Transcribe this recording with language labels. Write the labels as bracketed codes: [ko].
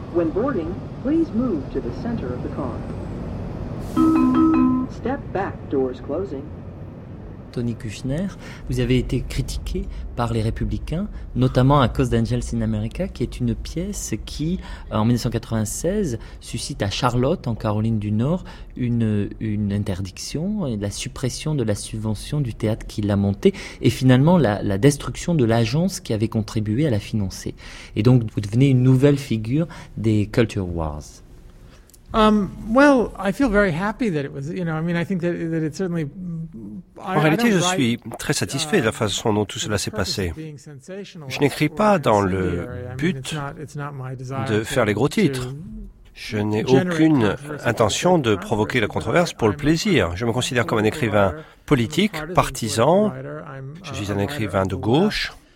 [en] When boarding, please move to the center of the car. Step back, doors closing. [fr] Tony Kushner, vous avez été critiqué par les Républicains, notamment à cause d'Angels in America, qui est une pièce qui, en 1996, suscite à Charlotte, en Caroline du Nord, une interdiction et la suppression de la subvention du théâtre qui l'a montée, et finalement la destruction de l'agence qui avait contribué à la financer. Et donc, vous devenez une nouvelle figure des Culture Wars. [en] I feel very happy that it was, I think that it certainly [fr] En réalité, je suis très satisfait de la façon dont tout cela s'est passé. Je n'écris pas dans le but de faire les gros titres. Je n'ai aucune intention de provoquer la controverse pour le plaisir. Je me considère comme un écrivain politique, partisan. Je suis un écrivain de gauche.